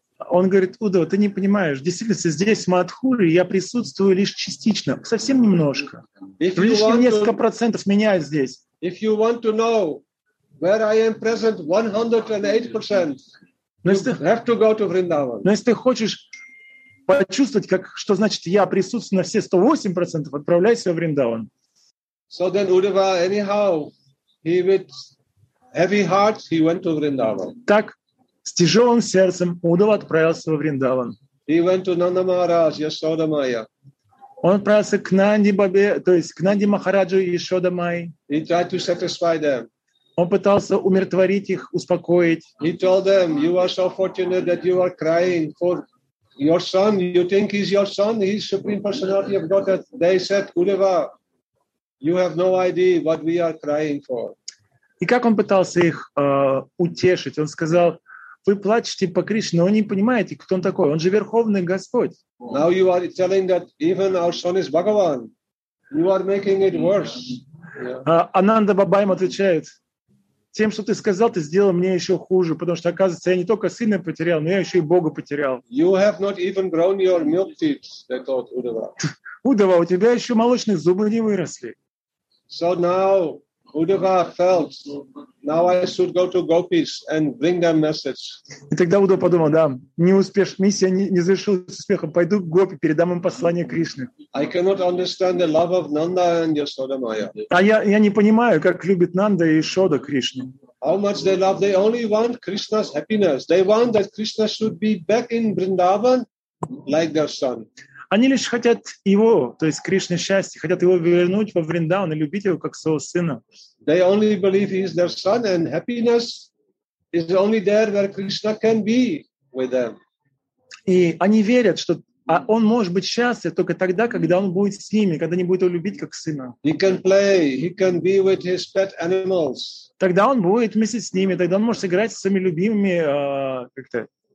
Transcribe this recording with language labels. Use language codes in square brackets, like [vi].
[ru] Он говорит, Уддава, ты не понимаешь. Действительно, здесь, в Матхуре, я присутствую лишь частично, совсем немножко. Лишь несколько процентов меня здесь. [en] If you want to know where I am present 108%, [ru] Но если ты хочешь почувствовать, как, что значит я присутствую на все 108%, отправляйся в Вриндаван. [en] So then Uddhava, anyhow, he with heavy heart, he went to Vrindavan. [ru] Так, с тяжелым сердцем Уддхава отправился во Вриндаван. [en] He went to Nanda Maharaj, Yashoda Maya. [ru] Он отправился к Нанди Бабе, то есть к Нанди Махараджу и Yashoda Mai. [en] He tried to satisfy them. [ru] Он пытался умиротворить их, успокоить. [en] He told them, you are so fortunate that you are crying for your son. You think he's your son? He's supreme personality of Godhead. They said, Uddhava, you have no idea what we are crying for. [ru] И как он пытался их утешить? Он сказал, вы плачете по Кришне, но вы не понимаете, кто он такой. Он же Верховный Господь. [en] Now you are telling that even our son is Bhagavan. You are making it worse. [ru] Ананда Баба им отвечает: тем, что ты сказал, ты сделал мне еще хуже, потому что, оказывается, я не только сына потерял, но я еще и Бога потерял. [en] You have not even grown your milk teeth, they thought, Uddhava. [ru] Uddhava, у тебя еще молочные зубы не выросли. [en] So now Uddhava felt, now I should go to gopis and bring them message. [ru] И тогда Uddhava подумал, да, не успеш, миссия не завершилась успехом, пойду к гопи, передам им послание Кришны. [en] I cannot understand the love of Nanda and Yashoda Maya. [ru] А я не понимаю, как любит Нанда и Ишода Кришну. [en] How much they love, they only want Krishna's happiness. They want that Krishna should be back in Vrindavan like their son. [ru] Они лишь хотят его, то есть Кришны счастья, хотят его вернуть во Вриндаван и любить его как своего сына. [en] They only believe he is their son, and happiness is only there where Krishna can be with them. [ru] И они верят, что он может быть счастлив только тогда, когда он будет с ними, когда они будут его любить как сына. [en] He can play, he can be with his pet animals. [ru] Тогда он будет вместе с ними, тогда он может играть с своими любимыми как-то.